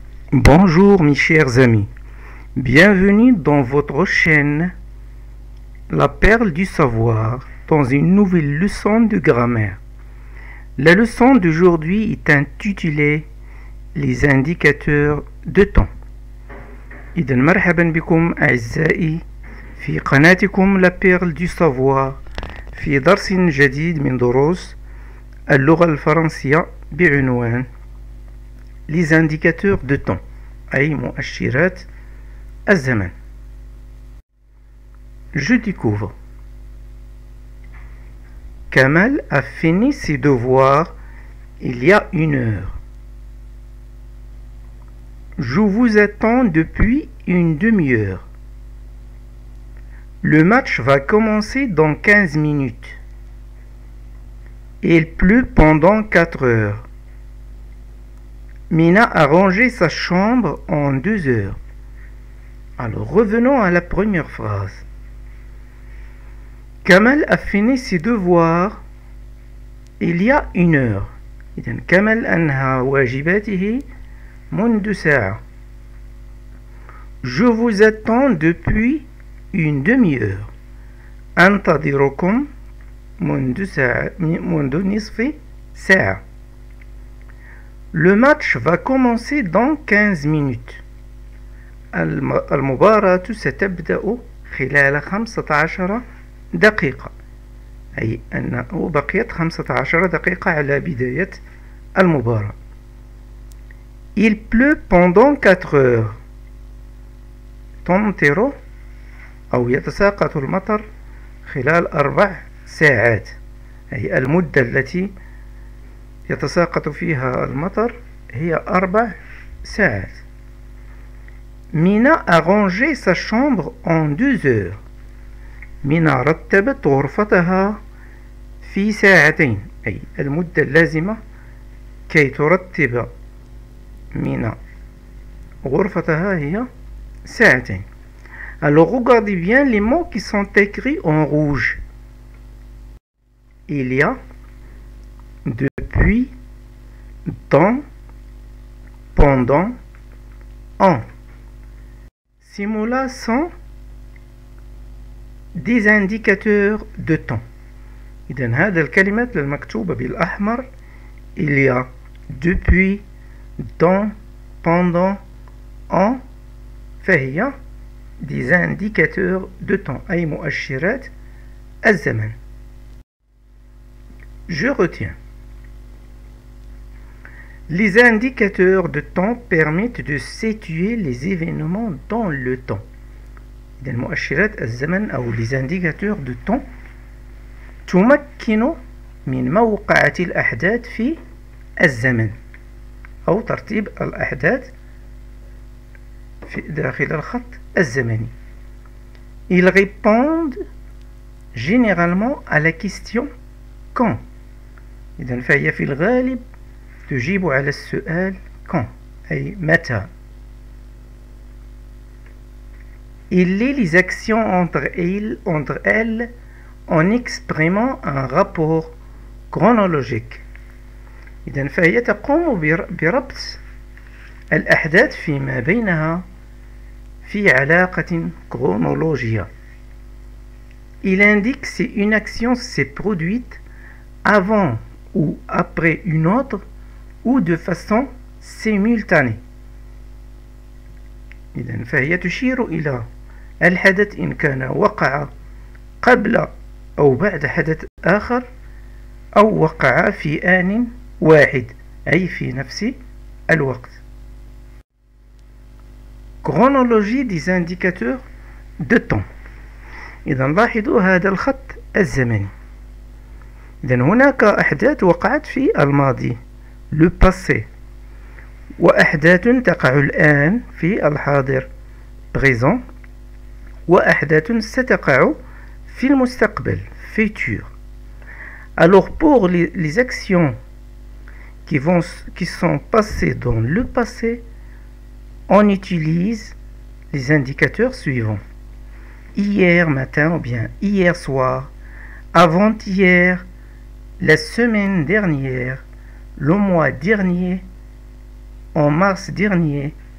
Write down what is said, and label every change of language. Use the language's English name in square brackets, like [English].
[French] Bonjour mes chers amis, bienvenue dans votre chaîne La Perle du Savoir dans une nouvelle leçon de grammaire. La leçon d'aujourd'hui est intitulée Les indicateurs de temps. [Arabic] إذن مرحبا بكم أعزائي في قناتكم La Perle du Savoir في درس جديد من دروس اللغة الفرنسية بعنوان [French] Les indicateurs de temps. [Arabic] أي مؤشرات الزمن. [French] Je découvre. Kamal a fini ses devoirs il y a une heure. Je vous attends depuis une demi-heure. Le match va commencer dans 15 minutes. Il pleut pendant 4 heures. Mina a rangé sa chambre en 2 heures. Alors revenons à la première phrase. Kamal a fini ses devoirs il y a une heure. [Arabic] إذن Kamal أنهى واجباته منذ ساعة. [French] Je vous attends depuis une demi-heure. [Arabic] أنتظركم منذ نصف ساعة. [French] Le match va commencer dans 15 minutes. [Arabic] المباراة ستبدأ خلال 15 دقيقة. أي أنه بقيت 15 دقيقة على بداية المباراة. [French] Il pleut pendant 4 heures. [Arabic] تمطر أو يتساقط المطر خلال 4 ساعات. أي المدة التي يتساقط فيها المطر هي 4 ساعات. [French] مينا أرانجي سا شامبر أون 2 أور. [Arabic] مينا رتبت غرفتها في ساعتين، أي المدة اللازمة كي ترتب مينا غرفتها هي ساعتين. [French] Alors regardez bien les mots qui sont écrits en rouge. Il y a depuis dans pendant en. Ces mots-là sont des indicateurs de temps. [Arabic] إذن هذه الكلمات المكتوبة بالأحمر [French] il y a depuis dans pendant en [Arabic] فهي [French] des indicateurs de temps [Arabic] أي مؤشرات الزمن. [French] Je retiens. Les indicateurs de temps permettent de situer les événements dans le temps. [Arabic] المؤشرات الزمن أو [French] les indicateurs de temps [Arabic] تمكن من موقعة الأحداث في الزمن أو ترتيب الأحداث في داخل الخط الزمني. [French] Ils répondent généralement à la question quand. [Arabic] إذن فهي في الغالب تجيب على السؤال كان أي متى. [French] Il lie les actions entre elles en exprimant un rapport chronologique. [Arabic] إذن فهي تقوم بربط الأحداث فيما بينها في علاقة كرونولوجية. [French] Il indique si une action s'est produite avant ou après une autre ou de façon simultanée. [Arabic] إذن فهي تشير إلى الحدث إن كان وقع قبل أو بعد حدث آخر أو وقع في آن واحد أي في نفس الوقت. [French] Chronologie des indicateurs de temps. [Arabic] إذن لاحظوا هذا الخط الزمني. إذن هناك أحداث وقعت في الماضي le passé وأحداث تقع الآن في الحاضر présent وأحداث ستقع في المستقبل futur. [French] Alors pour les actions qui sont passées dans le passé on utilise les indicateurs suivants. Hier matin ou bien hier soir, avant-hier, la semaine dernière, le mois dernier, en mars dernier,